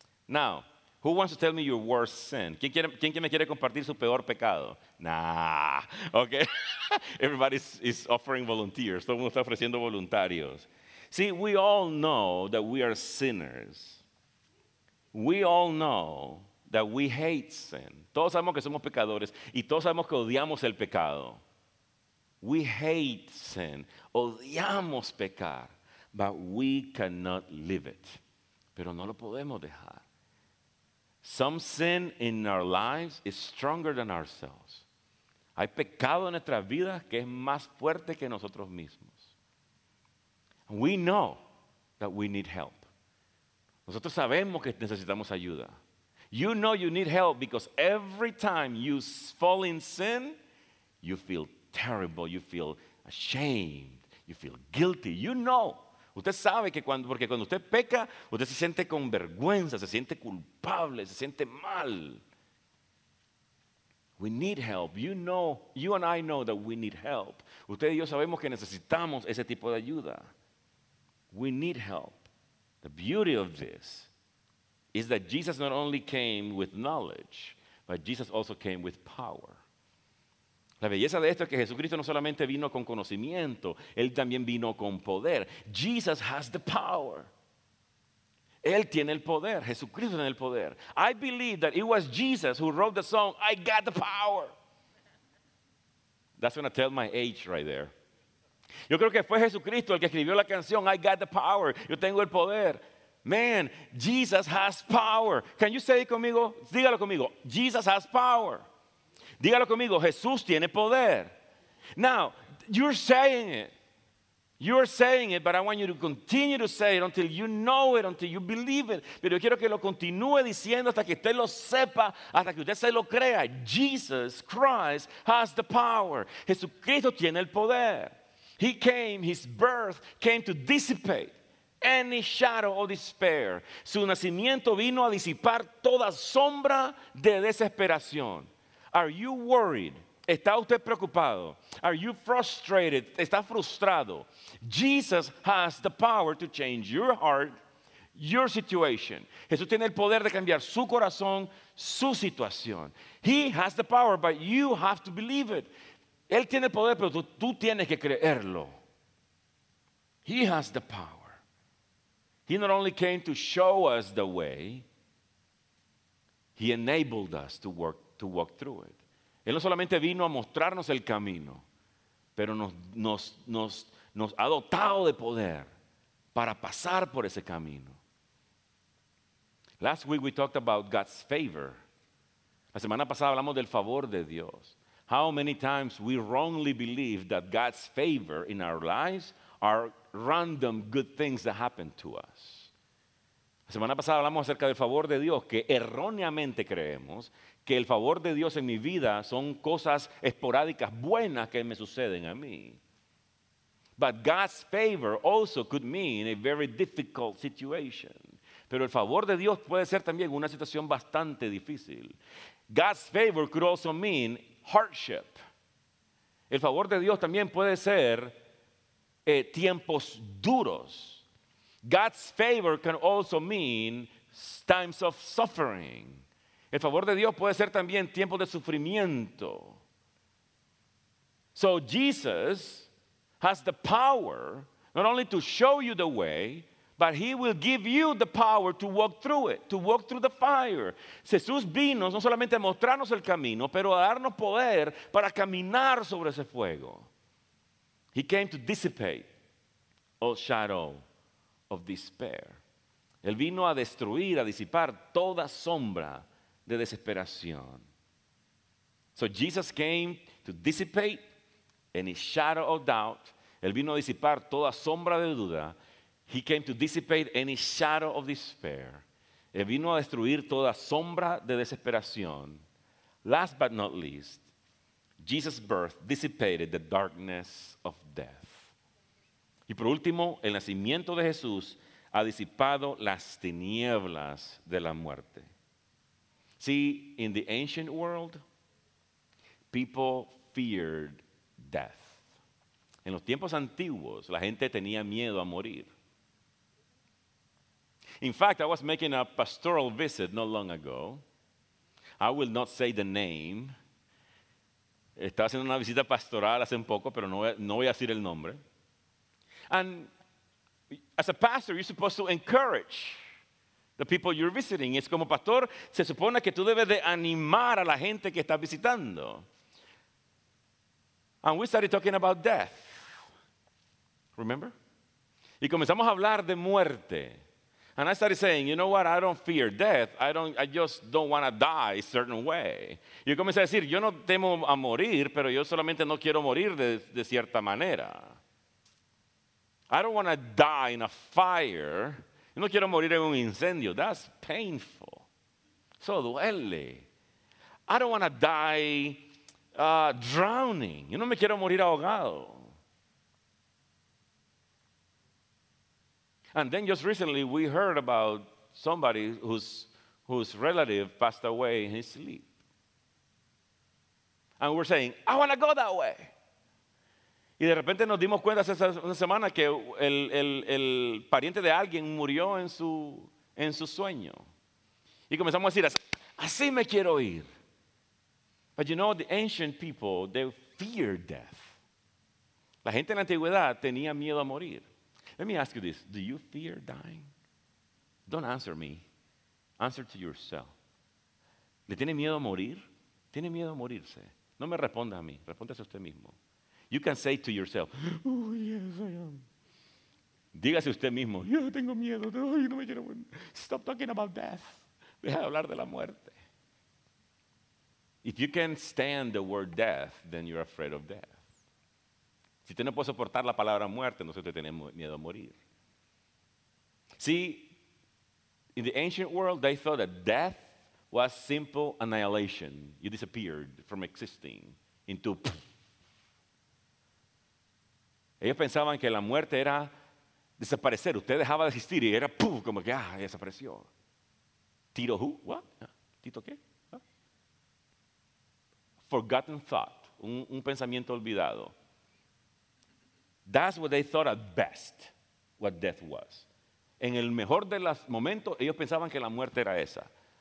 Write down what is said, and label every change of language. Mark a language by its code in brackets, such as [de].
[en] Now, who wants to tell me your worst sin? [es] ¿Quién me quiere compartir su peor pecado? [en] Nah, okay. Everybody is offering volunteers. [es] Todo el mundo está ofreciendo voluntarios. [en] See, we all know that we are sinners. We all know that we hate sin. [es] Todos sabemos que somos pecadores y todos sabemos que odiamos el pecado. [en] We hate sin. [es] Odiamos pecar. [en] But we cannot live it. [es] Pero no lo podemos dejar. [en] Some sin in our lives is stronger than ourselves. [es] Hay pecado en nuestras vidas que es más fuerte que nosotros mismos. [en] We know that we need help. [es] Nosotros sabemos que necesitamos ayuda. [en] You know you need help because every time you fall in sin, you feel terrible, you feel ashamed, you feel guilty. You know. [es] Usted sabe que cuando, porque cuando usted peca, usted se siente con vergüenza, se siente culpable, se siente mal. [en] We need help. You know, you and I know that we need help. [es] Usted y yo sabemos que necesitamos ese tipo de ayuda. [en] We need help. The beauty of this is that Jesus not only came with knowledge, but Jesus also came with power. [es] La belleza de esto es que Jesucristo no solamente vino con conocimiento, Él también vino con poder. [en] Jesus has the power. [es] Él tiene el poder. Jesucristo tiene el poder. [en] I believe that it was Jesus who wrote the song, "I got the power." That's going to tell my age right there. [es] Yo creo que fue Jesucristo el que escribió la canción, [en] "I got the power." [es] Yo tengo el poder. [en] Man, Jesus has power. Can you say it conmigo? [es] Dígalo conmigo. [en] Jesus has power. [es] Dígalo conmigo, Jesús tiene poder. [en] Now, you're saying it. You're saying it, but I want you to continue to say it until you know it, until you believe it. [es] Pero yo quiero que lo continúe diciendo hasta que usted lo sepa, hasta que usted se lo crea. [en] Jesus Christ has the power. [es] Jesucristo tiene el poder. [en] He came, his birth came to dissipate any shadow of despair. [es] Su nacimiento vino a disipar toda sombra de desesperación. [en] Are you worried? [es] ¿Está usted preocupado? [en] Are you frustrated? [es] ¿Está frustrado? [en] Jesus has the power to change your heart, your situation. [es] Jesús tiene el poder de cambiar su corazón, su situación. [en] He has the power, but you have to believe it. [es] Él tiene el poder, pero tú tienes que creerlo. [en] He has the power. He not only came to show us the way, he enabled us to walk through it. [es] Él no solamente vino a mostrarnos el camino, pero nos ha dotado de poder para pasar por ese camino. [en] Last week we talked about God's favor. [es] La semana pasada hablamos del favor de Dios. [en] How many times we wrongly believe that God's favor in our lives are random good things that happen to us. [es] La semana pasada hablamos acerca del favor de Dios, que erróneamente creemos que el favor de Dios en mi vida son cosas esporádicas buenas que me suceden a mí. [en] But God's favor also could mean a very difficult situation. [es] Pero el favor de Dios puede ser también una situación bastante difícil. [en] God's favor could also mean hardship. [es] El favor de Dios también puede ser tiempos duros. [en] God's favor can also mean times of suffering. [es] El favor de Dios puede ser también tiempos de sufrimiento. [en] So Jesus has the power not only to show you the way, but he will give you the power to walk through it, to walk through the fire. [es] Jesús vino no solamente a mostrarnos el camino, pero a darnos poder para caminar sobre ese fuego. [en] He came to dissipate all shadow of despair. [es] Él vino a destruir, a disipar toda sombra de desesperación. [en] So Jesus came to dissipate any shadow of doubt. [es] Él vino a disipar toda sombra de duda. [en] He came to dissipate any shadow of despair. [es] Él vino a destruir toda sombra de desesperación. [en] Last but not least, Jesus' birth dissipated the darkness of death. [es] Y por último, el nacimiento de Jesús ha disipado las tinieblas de la muerte. [en] See, in the ancient world, people feared death. [es] En los tiempos antiguos, la gente tenía miedo a morir. [en] In fact, I was making a pastoral visit not long ago. I will not say the name. [es] Estaba haciendo una visita pastoral hace un poco, pero no voy a decir el nombre. [en] And as a pastor, you're supposed to encourage the people you're visiting. [es] Es como pastor, se supone que tú debes de animar a la gente que estás visitando. [en] And we started talking about death. Remember? [es] Y comenzamos a hablar de muerte. [en] And I started saying, you know what, I don't fear death. I just don't want to die a certain way. [es] Yo comencé a decir, yo no temo a morir, pero yo solamente no quiero morir de cierta manera. [en] I don't want to die in a fire. [es] Yo no quiero morir en un incendio. [en] That's painful. [es] Eso duele. [en] I don't want to die drowning. [es] Yo no me quiero morir ahogado. [en] And then just recently we heard about somebody whose relative passed away in his sleep. And we're saying, I want to go that way. [es] Y de repente nos dimos cuenta hace una semana que el pariente de alguien murió en su sueño. Y comenzamos a decir, así me quiero ir. [en] But you know, the ancient people, they feared death. [es] La gente en la antigüedad tenía miedo a morir. [en] Let me ask you this, do you fear dying? Don't answer me, answer to yourself. [es] ¿Le tiene miedo a morir? ¿Tiene miedo a morirse? No me responda a mí, respóndase a usted mismo. [en] You can say to yourself, oh yes, I am. [es] Dígase usted mismo, yo tengo miedo, no me quiero morir. [en] Stop talking about death. [es] Deja de hablar de la muerte. [en] If you can stand the word death, then you're afraid of death. [es] Si usted no puede soportar la palabra muerte, entonces usted tiene miedo a morir. [en] See, in the ancient world, they thought that death was simple annihilation. You disappeared from existing into... [es] Ellos pensaban que la muerte era desaparecer. Usted dejaba de existir y era ¡puf! Como que ¡ah! Desapareció. ¿Tito who? [en] What? [es] ¿Tito qué? What? [en] Forgotten thought. [es] Un pensamiento olvidado. [en] That's what they thought at best, what death was. [es] En el mejor de los momentos, ellos pensaban que la muerte era esa.